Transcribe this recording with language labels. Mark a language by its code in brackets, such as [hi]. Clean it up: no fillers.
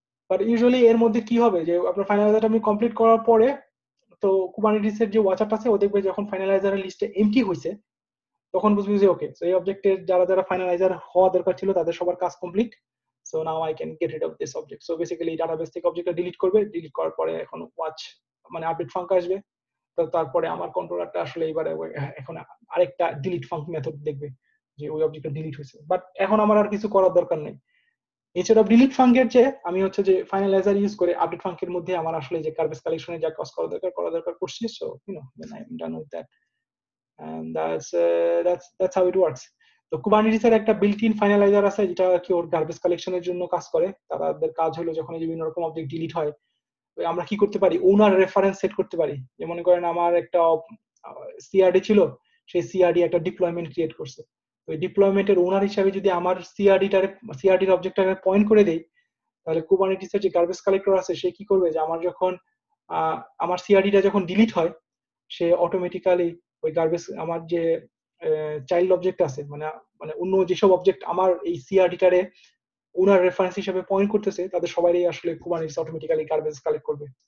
[bn] But usually এর মধ্যে কি হবে যে আপনার ফাইনালাইজারটা আপনি কমপ্লিট করার পরে, তো কুবারনেটিসের যে ওয়াচারটা আছে, ও দেখবে যখন ফাইনালাইজারের লিস্টে এমটি হয়েছে, তখন বুঝবে যে ওকে, সো এই অবজেক্টের যারা যারা ফাইনালাইজার হওয়া দরকার ছিল তাদের সবার কাজ complete, [en] so now I can get rid of this object. [bn] So basically database থেকে object টা delete করবে, delete করার পরে এখন watch মানে update func আসবে, তারপরে আমার controller টা আসলে এবারে এখন আরেকটা delete func method দেখবে যে ওই object টা delete হয়েছে, but এখন আমার আর কিছু করার দরকার নেই। instead of delete func এর যে আমি হচ্ছে যে finalizer use করে update func এর মধ্যে আমার আসলে যে garbage collection এ যা কাজ করা দরকার করছি, [en] so you know then I'm done with that, and that's how it works. [bn] তো কুবারনেটিসের একটা বিল্ট ইন ফাইনালাইজার আছে যেটা কি ওর গার্বেজ কালেকশনের জন্য কাজ করে। তাদের কাজ হলো যখন বিভিন্ন রকম অবজেক্ট ডিলিট হয়, আমরা কি করতে পারি, ওনার রেফারেন্স সেট করতে পারি। যে মনে করেন আমার একটা সিআরডি ছিল, সেই সিআরডি একটা ডিপ্লয়মেন্ট ক্রিয়েট করছে, ওই ডিপ্লয়মেন্টের ওনার হিসাবে যদি আমার সিআরডির অবজেক্টটাকে পয়েন্ট করে দেই, তাহলে কুবারনেটিসের যে গার্বেজ কালেক্টর আছে, সে কি করবে যে আমার যখন আমার সিআরডিটা যখন ডিলিট হয়, সে অটোমেটিক্যালি ওই গার্বেজ আমার যে চাইল্ড অবজেক্ট আছে, মানে মানে অন্য যেসব অবজেক্ট আমার এই সিআরডিটারে ওনার রেফারেন্স হিসেবে পয়েন্ট করতেছে, তাদের সবারই আসলে কুবারনেটিস অটোমেটিক্যালি গার্বেজ কালেক্ট করবে।